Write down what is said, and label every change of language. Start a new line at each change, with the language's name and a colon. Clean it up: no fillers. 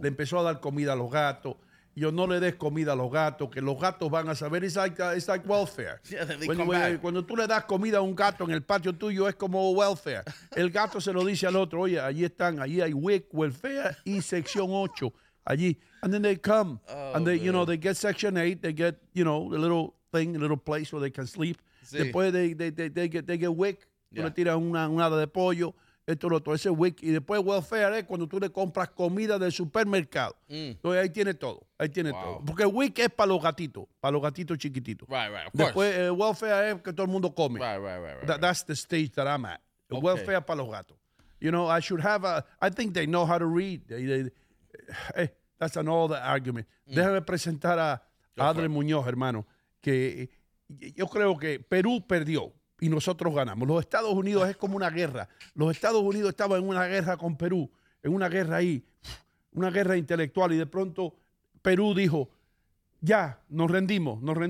Spanish: Le empezó a dar comida a los gatos. Yo no le des comida a los gatos, que los gatos van a saber.
English: It's like welfare. Yeah,
Spanish: cuando tú le das comida a un gato en el patio tuyo, es como welfare. El gato se lo dice al otro, oye, allí están, allí hay WIC, welfare y sección 8.
English: Allí, and then they come, oh, and they, man. You know, they get section 8, they get, you know, a little thing, a little place where they can sleep.
Spanish: Sí.
English: Después they get WIC, yeah.
Spanish: Le tiras una hada de pollo, esto, lo otro, ese WIC. Y después welfare es cuando tú le compras comida del supermercado. Mm. Entonces ahí tiene todo, ahí tiene wow. todo. Porque WIC es para los gatitos chiquititos.
English: Right, right, of course.
Spanish: Después welfare es que todo el mundo come.
English: Right, right, right. right. That's the stage that I'm at. Okay.
Spanish: Welfare para los gatos.
English: You know, I should have a, I think they know how to read. Hey, that's an old argument. Mm.
Spanish: Déjame presentar a Adrián Muñoz, hermano, que yo creo que Perú perdió y nosotros ganamos. Los Estados Unidos es como una guerra. Los Estados Unidos estaban en una guerra con Perú, en una guerra ahí, una guerra intelectual, y de pronto Perú dijo, ya, nos rendimos.